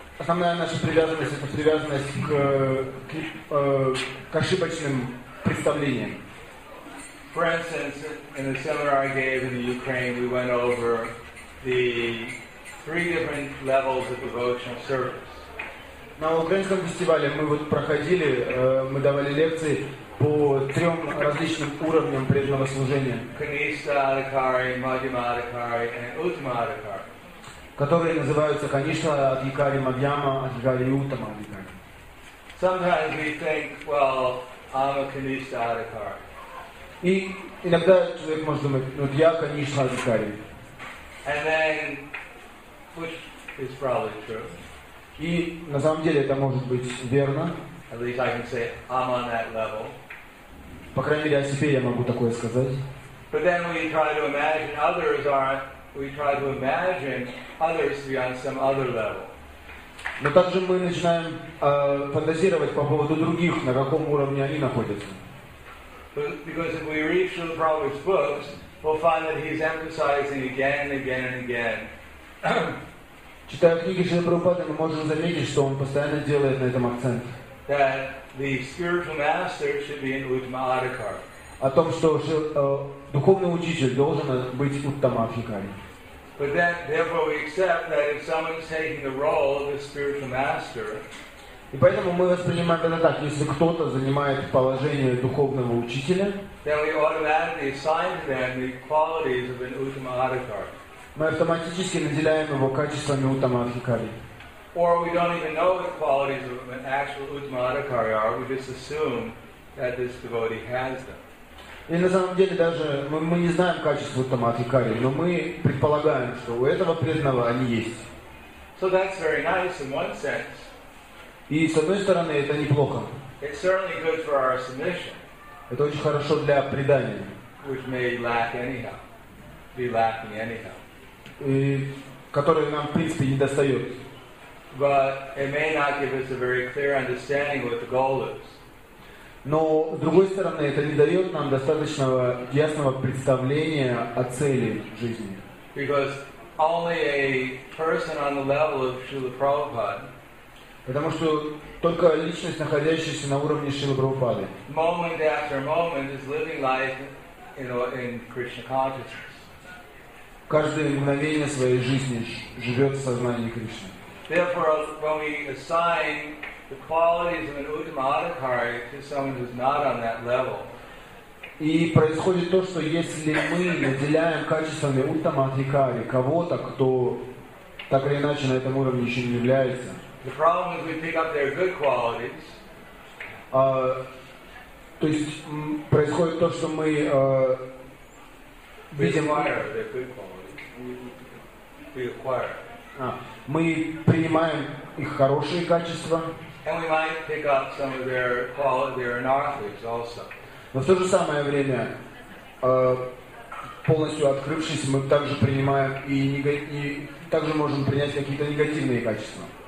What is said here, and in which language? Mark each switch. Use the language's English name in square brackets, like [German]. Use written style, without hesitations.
[Russian] Основная наша привязанность это привязанность к ошибочным представлениям. [English] For instance, in a seminar I gave in the Ukraine, we went over the three different levels of devotional service. [Russian] На украинском фестивале мы вот проходили, мы давали лекции по трем различным уровням преданного служения. Каниша Адхикари, Мадхьяма Адхикари и Уттама Адхикари. Которые называются Каниша Адхикари, Мадхьяма Адхикари и Уттама Адхикари. [English] Sometimes we think, well, I'm a Kanishtha Adhikari. [Russian] И иногда человек может думать, ну вот я Kanishtha Adhikari. [English] And then, which is probably true. [Russian] И на самом деле это может быть верно. [English] At least I can say I'm on that level. [Russian] По крайней мере, о себе я могу такое сказать. [English] But then we try to imagine others are. We try to imagine others to be on some other level. [Russian] Но также мы начинаем фантазировать по поводу других, на каком уровне они находятся. [English] Because if we read Srila Prabhupada's books, we'll find that he's emphasizing again and again and again. [Russian] Читая книги Шрилы Прабхупады, мы можем заметить, что он постоянно делает на этом акцент. [English] That the spiritual master should be in Uttama Adhikari. [Russian] О том, что духовный учитель должен быть Uttama Adhikari. [English] But then, therefore, we accept that if someone's taking the role of the spiritual master. [Russian] И поэтому мы воспринимаем это так: если кто-то занимает положение духовного учителя, [English] then we automatically assign to them the qualities of an Uttama Adhikari. [Russian] Мы автоматически наделяем его качествами Uttama Adhikari. [English] Or we don't even know what qualities of an actual Uttama Adhikari are. We just assume that this devotee has them. [Russian] И на самом деле даже мы не знаем качества Uttama Adhikari, но мы предполагаем, что у этого преданного они есть. [English] So that's very nice in one sense. [Russian] И с одной стороны, это неплохо. [English] It's certainly good for our submission. [Russian] Это очень хорошо для предания. [English] Which may lack anyhow. Be lacking anyhow. [Russian] И который нам, в принципе, не достает. [English] But it may not give us a very clear understanding of what the goal is. [Russian] Но, с другой стороны, это не дает нам достаточного ясного представления о цели жизни. [English] Because only a person on the level of Srila Prabhupada, [Russian] потому что только личность, находящаяся на уровне Шрилы Прабхупады, [English] moment after moment is living life in Krishna consciousness. [Russian] Каждое мгновение своей жизни живет в сознании Кришны. [English] Therefore, when we assign the qualities of an Uttama Adhikari to someone who's not on that level. [Russian] И происходит то, что если мы наделяем качествами Uttama Adhikari кого-то, кто так или иначе на этом уровне еще не является. [English] The problem is we pick up their good qualities. [Russian] То есть происходит то, что мы видим [English] their good qualities. We acquire. [Russian] Мы принимаем их хорошие качества. [English] And we might pick up some of their quality, their anarthics also. [Russian] Но в то же самое время, полностью открывшись, мы также принимаем и также можем принять какие-то негативные качества.